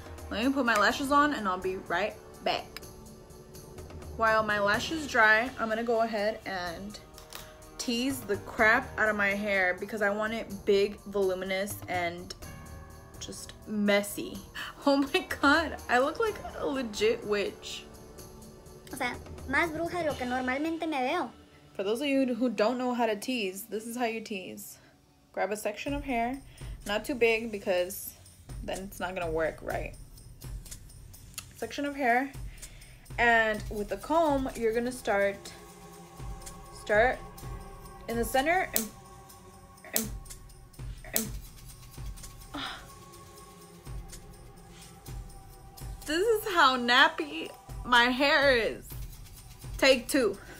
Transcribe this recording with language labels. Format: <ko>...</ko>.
<en>Let me put my lashes on and I'll be right back. While my lashes dry, I'm gonna go ahead and tease the crap out of my hair because I want it big, voluminous, and just messy. Oh my god, I look like a legit witch.</en> <es>O sea, más bruja de lo que normalmente me veo.</es> <en>For those of you who don't know how to tease, this is how you tease. Grab a section of hair, not too big because then it's not gonna work right. Section of hair. And with a comb, you're gonna start in the center and this is how nappy my hair is. Take two.</en>